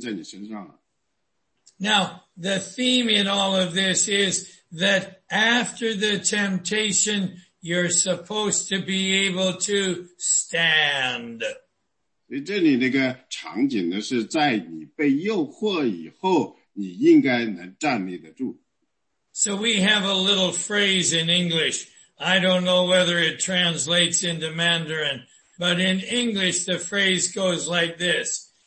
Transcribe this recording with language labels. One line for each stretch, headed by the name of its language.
Chinese: 你在所有的时间都把神所赐的全副军装穿上，当魔鬼来的时候，你的军装已经在你身上了。
English: Now, the theme in all of this is that after the temptation, you're supposed to be able to stand.
Chinese: 所以这里那个场景呢，是在你被诱惑以后，你应该能站立得住。
English: So we have a little phrase in English, I don't know whether it translates into Mandarin, but in English, the phrase goes like this.